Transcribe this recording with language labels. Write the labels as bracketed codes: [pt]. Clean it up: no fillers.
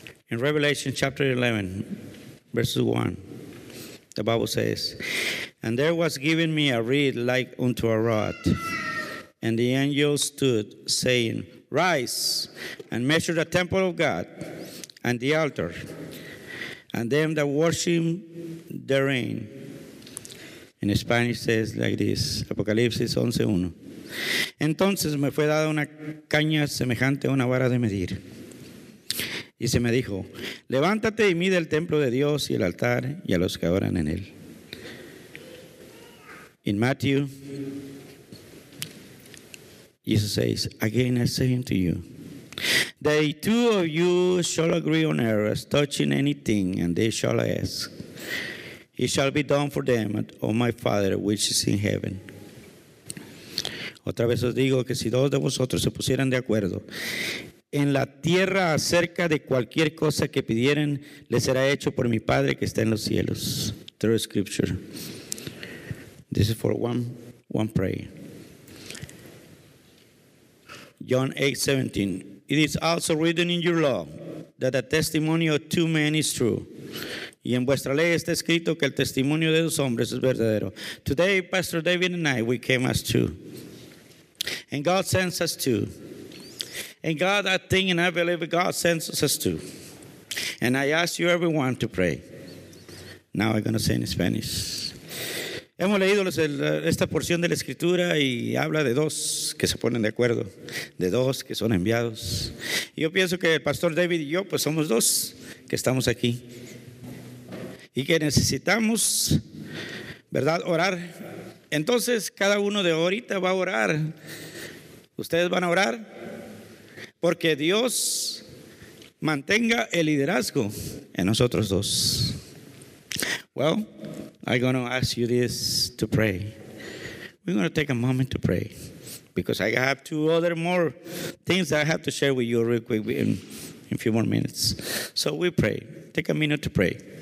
[en] In Revelation chapter 11, verses 1, the Bible says, "And there was given me a reed like unto a rod. And the angel stood, saying, Rise, and measure the temple of God, and the altar, and them that worship therein." In Spanish says like this, Apocalipsis 11:1. [es] "Entonces me fue dada una caña semejante a una vara de medir. Y se me dijo, Levántate y mide el templo de Dios y el altar y a los que adoran en él." [en] In Matthew, Jesus says, "Again, I say unto you, that two of you shall agree on earth as touching anything, and they shall ask. It shall be done for them of my Father which is in heaven." [es] Otra vez os digo que si dos de vosotros se pusieran de acuerdo en la tierra acerca de cualquier cosa que pidieren, le será hecho por mi Padre que está en los cielos. [en] Through scripture. This is for one prayer. John 8:17. "It is also written in your law that the testimony of two men is true. [es] Y en vuestra ley está escrito que el testimonio de dos hombres es verdadero. [en] Today, Pastor David and I, we came as two. And God sends us two. And God, I think and I believe God sends us two. And I ask you everyone to pray." Now I'm going to say in Spanish. [es] Hemos leído esta porción de la Escritura y habla de dos que se ponen de acuerdo, de dos que son enviados. Yo pienso que el Pastor David y yo, pues somos dos que estamos aquí y que necesitamos, ¿verdad?, orar. Entonces, cada uno de ahorita va a orar. Ustedes van a orar porque Dios mantenga el liderazgo en nosotros dos. [en] Well, I'm going to ask you this to pray. We're going to take a moment to pray because I have two other more things I have to share with you real quick in a few more minutes. So we pray. Take a minute to pray.